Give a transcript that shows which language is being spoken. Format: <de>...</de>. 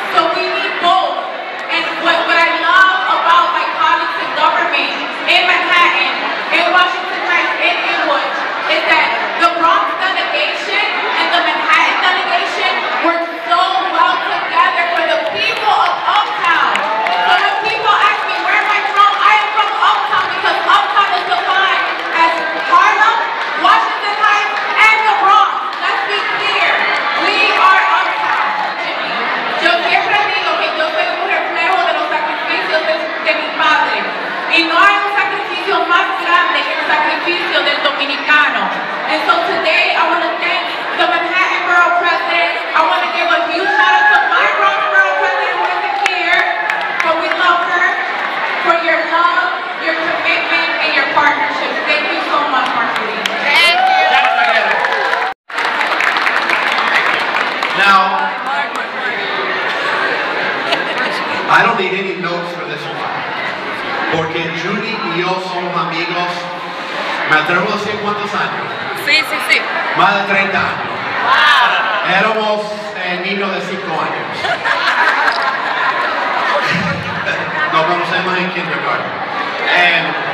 <en>So we need both. And what I love about my colleagues in government, in Manhattan, in Washington Heights, in Inwood, is that the Bronx delegation and the Manhattan delegation work so well together for the people of Uptown. So when people ask me, where am I from? I am from Uptown because Uptown is defined as Harlem, Washington Heights, and the Bronx. Let's be clear. We are Uptown.</en> <es>Yo siempre digo que yo soy un reflejo de los sacrificios de mi padre. Y no hay un sacrificio más grande que el sacrificio del dominicano.</es> <en>And so today, I want to thank the Manhattan Borough President. I want to give a huge shout out to my Bronx Borough President, who isn't here, but we love her, for your love, your commitment, and your partnership. Thank you so much, Marcelina. Thank you. Now, I don't need any notes for this one.</en> <es>Porque Judy y yo somos amigos, me atrevo a decir cuántos años. Sí, sí, sí. Más de 30 años. Wow. Éramos niños de 5 años. Nos conocemos en kindergarten.</es>